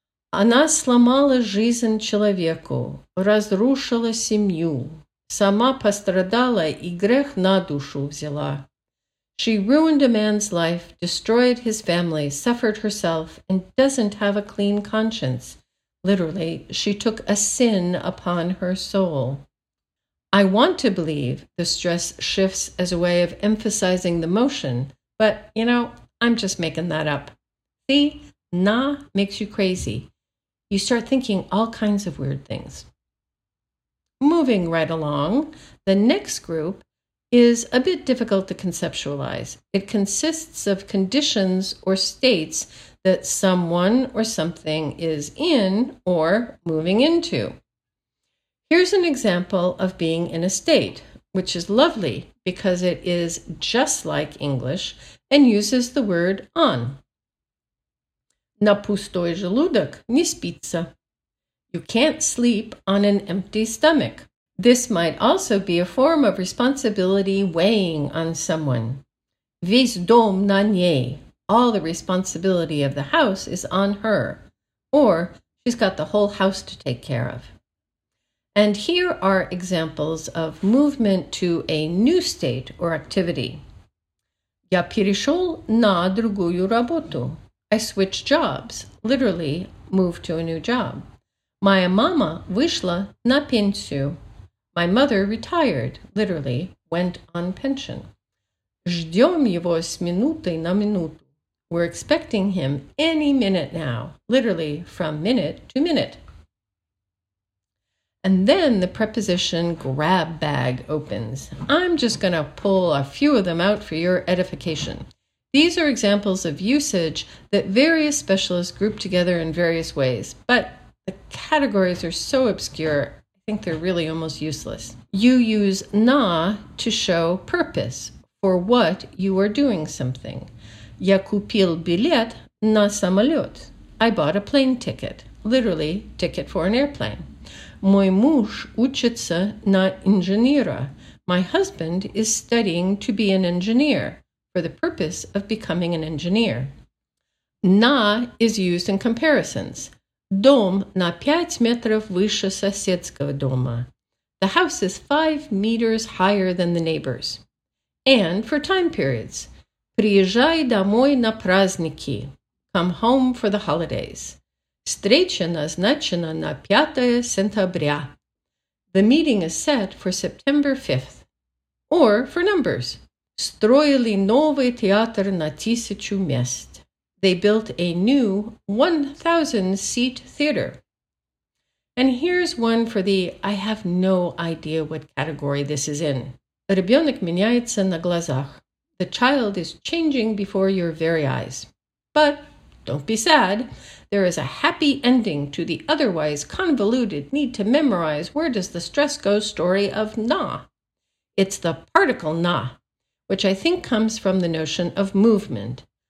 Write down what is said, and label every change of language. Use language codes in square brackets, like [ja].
[ru] Она сломала жизнь человеку, разрушила семью, сама пострадала и грех на душу взяла. [en] She ruined a man's life, destroyed his family, suffered herself, and doesn't have a clean conscience. Literally, she took a sin upon her soul. I want to believe the stress shifts as a way of emphasizing the motion, but, you know, I'm just making that up. See, na makes you crazy. You start thinking all kinds of weird things. Moving right along, the next group is a bit difficult to conceptualize. It consists of conditions or states that someone or something is in or moving into. Here's an example of being in a state, which is lovely because it is just like English and uses the word on. [ru] На пустой желудок не спится. [en] You can't sleep on an empty stomach. This might also be a form of responsibility weighing on someone. [ru] Весь дом на ней. [en] All the responsibility of the house is on her. Or she's got the whole house to take care of. And here are examples of movement to a new state or activity. [ru] Я перешел на другую работу. [en] I switched jobs, literally moved to a new job. [ru] Моя мама вышла на пенсию. [en] My mother retired, literally went on pension. [ru] Ждем его с минуты на минуту. [en] We're expecting him any minute now, literally from minute to minute. And then the preposition grab bag opens. I'm just going to pull a few of them out for your edification. These are examples of usage that various specialists group together in various ways, but the categories are so obscure, I think they're really almost useless. You use na to show purpose for what you are doing something. [ru] Я купил билет на самолет. [en] I bought a plane ticket, literally ticket for an airplane. [ru] Мой муж учится на инженера. [en] My husband is studying to be an engineer for the purpose of becoming an engineer. На is used in comparisons. [ru] Дом на 5 метров выше соседского дома. [en] The house is 5 meters higher than the neighbors. And for time periods. [ru] Приезжай домой на праздники. [en] Come home for the holidays. [ru] Встреча назначена на 5 сентября. [en] The meeting is set for September 5th. Or for numbers. [ru] Строили новый театр на 1000 мест. [en] They built a new 1,000-seat theater. And here's one for the I have no idea what category this is in. [ru] Ребенок меняется на глазах. [en] The child is changing before your very eyes. But don't be sad. There is a happy ending to the otherwise convoluted need to memorize where does the stress go story of na. It's the particle na, which I think comes from the notion of movement.